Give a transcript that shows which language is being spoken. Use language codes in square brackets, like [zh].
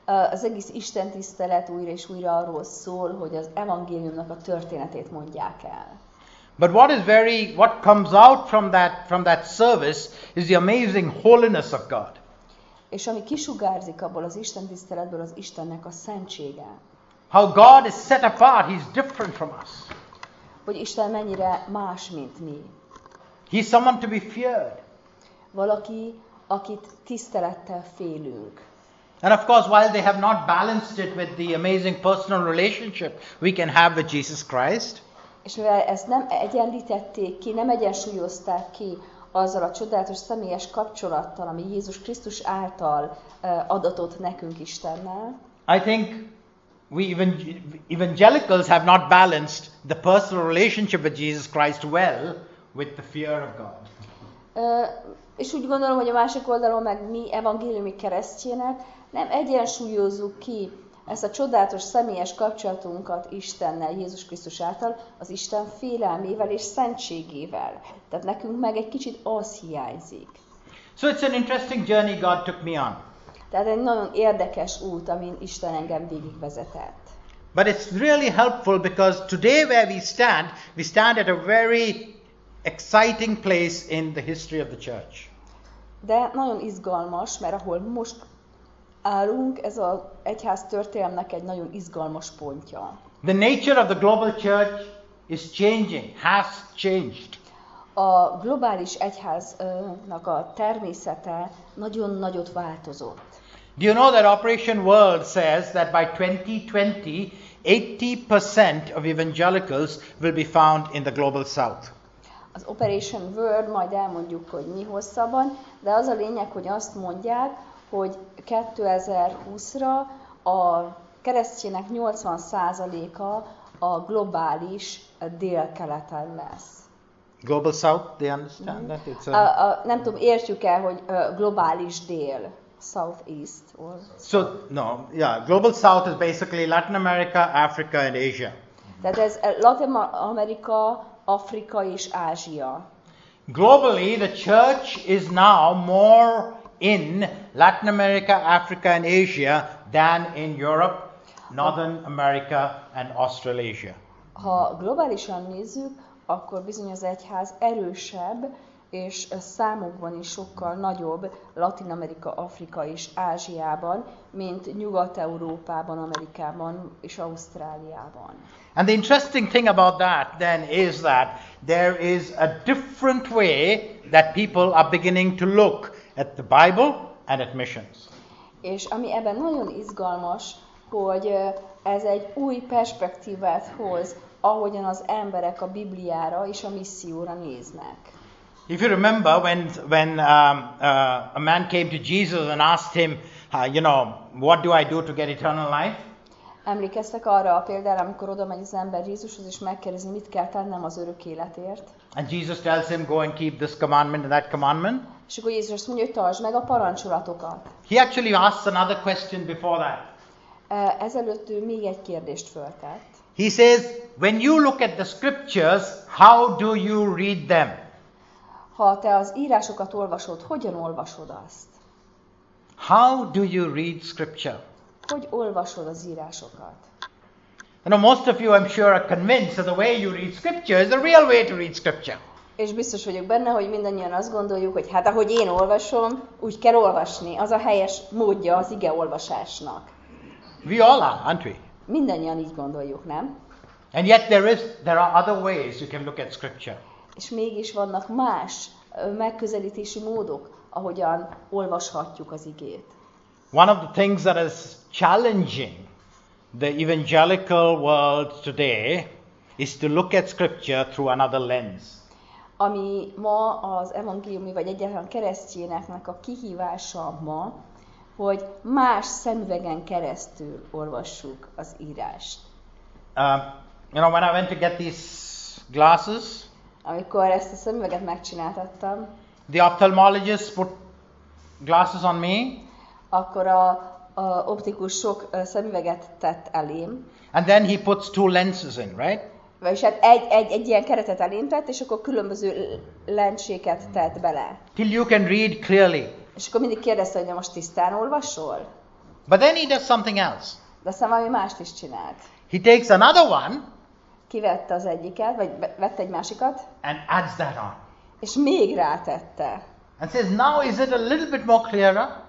[hu] Az egész Isten tisztelet újra és újra arról szól, hogy az evangéliumnak a történetét mondják el. [en] But what comes out from that service is the amazing holiness of God. [hu] És ami kisugárzik abból az Isten tiszteletből, az Istennek a szentsége. [en] How God is set apart, he's different from us. [hu] Hogy Isten mennyire más, mint mi. [en] He's someone to be feared. [hu] Valaki, akit tisztelettel félünk. [en] And of course, while they have not balanced it with the amazing personal relationship we can have with Jesus Christ. [hu] És mivel ezt nem egyenlítették ki, nem egyensúlyozták ki azzal a csodálatos személyes kapcsolattal, ami Jézus Krisztus által adatott nekünk Istennel. [en] I think we evangelicals have not balanced the personal relationship with Jesus Christ well with the fear of God. [hu] És úgy gondolom, hogy a másik oldalon meg mi evangéliumi keresztjének nem egyensúlyozzuk ki ezt a csodálatos személyes kapcsolatunkat Istennel, Jézus Krisztus által, az Isten félelmével és szentségével. Tehát nekünk meg egy kicsit az hiányzik. [en] So it's an interesting journey God took me on. [hu] Tehát egy nagyon érdekes út, amin Isten engem végigvezetett. [en] But it's really helpful because today where we stand at a very exciting place in the history of the church. [hu] De nagyon izgalmas, mert ahol most állunk, ez az egyház történelmnek egy nagyon izgalmas pontja. [en] The nature of the global church is changing, has changed. [hu] A globális egyháznak a természete nagyon nagyot változott. [en] Do you know that Operation World says that by 2020, 80% of evangelicals will be found in the global south? [hu] Az Operation World, majd elmondjuk, hogy mi hosszabban, de az a lényeg, hogy azt mondják, hogy 2020-ra a keresztények 80%-a a globális délkeleten lesz. [en] Global South, they understand that it's a. [hu] Nem tudom, értjük el, hogy globális dél, [en] Southeast or. So no, yeah, Global South is basically Latin America, Africa and Asia. [hu] Tehát ez Latin Amerika, Afrika és Ázsia. [en] Globally, the church is now more in Latin America, Africa and Asia than in Europe, Northern America and Australasia. [hu] Ha globálisan nézzük, akkor bizony az egyház erősebb, és számokban is sokkal nagyobb Latin Amerika, Afrika és Ázsiában, mint Nyugat-Európában, Amerikában és Ausztráliában. [en] And the interesting thing about that then is that there is a different way that people are beginning to look at the Bible and at missions. [hu] És ami ebben nagyon izgalmas, hogy ez egy új perspektívát hoz, ahogyan az emberek a Bibliára és a misszióra néznek. [en] If you remember when a man came to Jesus and asked him, you know, what do I do to get eternal life? [hu] Emlékeztek arra a példára, amikor oda megy az ember Jézushoz és megkérdezi, mit kell tennem az örök életért? [en] And Jesus tells him, go and keep this commandment and that commandment. [hu] És akkor Jézus azt mondja, hogy tartsd meg a parancsolatokat. [en] He actually asks another question before that. [hu] Ezelőtt ő még egy kérdést föltett. [en] He says, when you look at the scriptures, how do you read them? [hu] Ha te az írásokat olvasod, hogyan olvasod azt? [en] How do you read scripture? [hu] Hogy olvasod az írásokat? [en] You know, most of you, I'm sure, are convinced that the way you read scripture is the real way to read scripture. [hu] És biztos vagyok benne, hogy mindannyian azt gondoljuk, hogy hát ahogy én olvasom, úgy kell olvasni. Az a helyes módja az ige olvasásnak. [en] We all are, aren't we? [hu] Mindannyian így gondoljuk, nem? [en] And yet there are other ways you can look at scripture. [hu] És mégis vannak más megközelítési módok, ahogyan olvashatjuk az igét. [en] One of the things that is challenging the evangelical world today is to look at scripture through another lens. [hu] Ami ma az evangéliumi vagy egyáltalán keresztényeknek a kihívása ma, hogy más szemüvegen keresztül olvassuk az írást. [en] You know, when I went to get these glasses, [hu] amikor ezt a szemüveget megcsináltattam, [en] the ophthalmologist put glasses on me, [hu] akkor a optikus sok szemüveget tett elém, [en] and then he puts two lenses in, right? [hu] Vagyis hát egy ilyen keretet elém tett, és akkor különböző lencséket tett bele. [en] Till you can read clearly. [hu] És akkor mindig kérdezte, hogy most tisztán olvasol? [en] But then he does something else. [hu] De aztán valami mást is csinált. [en] He takes another one. [hu] Kivette az egyiket, vagy vette egy másikat. [en] And adds that on. [hu] És még rátette. [en] And says, now is it a little bit more clearer?